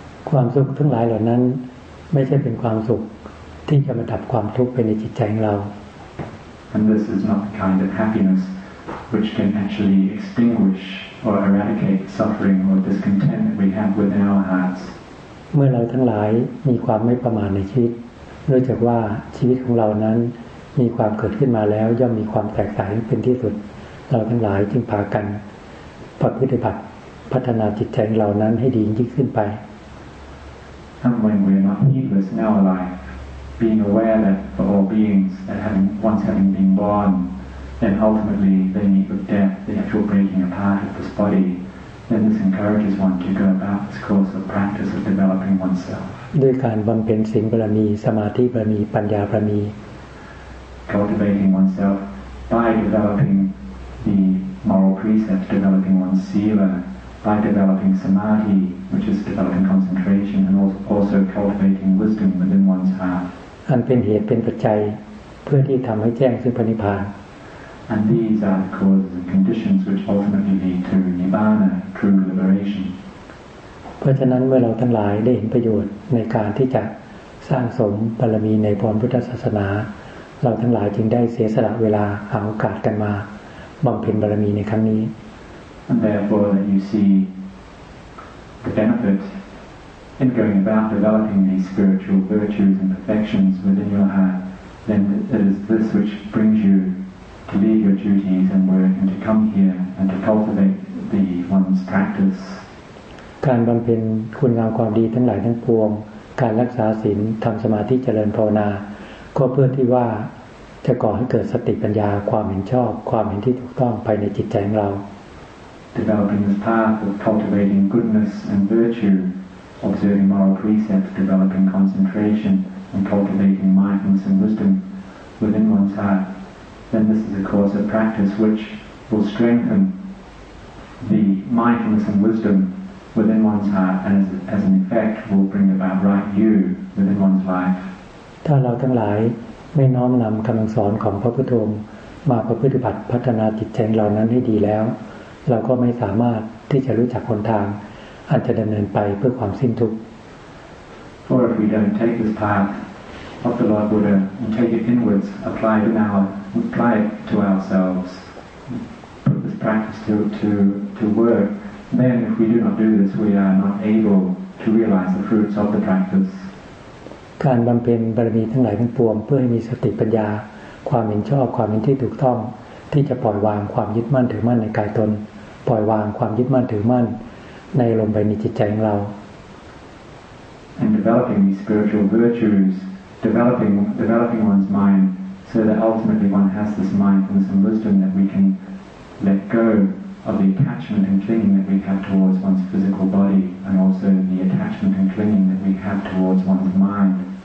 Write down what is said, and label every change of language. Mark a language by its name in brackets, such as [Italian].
[Thai] ความสุขทั้งหลายเหล่านั้นไม่ใช่เป็นความสุขที่จะมาดับความทุกข์ภายในจิตใจของเรา [English] And this is not the kind of happiness which can actually extinguish or eradicate suffering or discontent that we have within our hearts. [Thai] เมื่อเราทั้งหลายมีความไม่ประมาทในชีวิตเนื่องจากว่าชีวิตของเรานั้นมีความเกิดขึ้นมาแล้วย่อมมีความแตกต่างเป็นที่สุดเราทั้งหลายจึงพากันปฏิบัติพัฒนาจิตใจของเรานั้นให้ดียิ่งขึ้นไป [English] And when we are not needless in our life being aware that for all beings that having once having been born then ultimately they meet with death the actual breaking apart of this bodyThen this encourages one to go about this course of practice of developing oneself. [Thai] ด้วยการบำเพ็ญศีลบารมีสมาธิบารมีปัญญาบารมี [English] Cultivating oneself by developing the moral precepts, developing one's sila, by developing samadhi, which is developing concentration, and also cultivating [Thai] นเป็นเหตุเป็นปัจจัยเพื่อที่ทำให้แจ้งซึ่งพระนิพพาน [English] And these are causes and conditions which ultimately lead to nibbana, true liberation. [Thai] เพราะฉะนั้นเมื่อเราทั้งหลายได้เห็นประโยชน์ในการที่จะสร้างสมบารมีในพรพุทธศาสนาเราทั้งหลายจึงได้เสียสละเวลาหาโอกาสกันมาบำเพ็ญบารมีในครั้งนี้ [English] And therefore that you see the benefit in going about developing these spiritual virtues and perfections within your heart, then it is this which brings you to leave your duties and work and to come here and to cultivate the one's practice. [Thai] การบำเพ็ญคุณงามความดีทั้งหลายทั้งปวงการรักษาศีลทำสมาธิเจริญภาวนาก็เพื่อที่ว่าจะก่อให้เกิดสติปัญญาความเห็นชอบความเห็นที่ถูกต้องภายในจิตใจของเรา [English] Developing this path of cultivating goodness and virtue, observing moral precepts, developing concentration and cultivating mindfulness and wisdom within one's heart, then this is a course of practice which will strengthen the mindfulness and wisdom within one's heart and as an effect will bring about right view within one's life. [Thai] ถ้าเราทั้งหลายไม่น้อมนำคำสอนของพระพุทโธมาประพฤติพัฒนาจิตใจเรานั้นให้ดีแล้วเราก็ไม่สามารถที่จะรู้จักหนทางอันจะดำเนินไปเพื่อความสิ้นทุกข์ [English] For if we don't take this path of the Lord Buddha and take it inwards, apply it to ourselves, put this practice to work, then if we do not do this, we are not able to realize the fruits of the practice. [Thai] การบำเพ็ญบารมีทั้งหลายทั้งปวงเพื่อให้มีสติปัญญาความเห็นชอบความเห็นที่ถูกต้องที่จะปล่อยวางความยึดมั่นถือมั่นในกายตนปล่อยวางความยึดมั่นถือมั่นในลมในจิตใจของเรา [English] And developing these spiritual virtues developing one's mind so that ultimately one has this mindfulness and wisdom that we can let go of the attachment and clinging that we have towards one's physical body and also the attachment and clingingHave towards one's mind.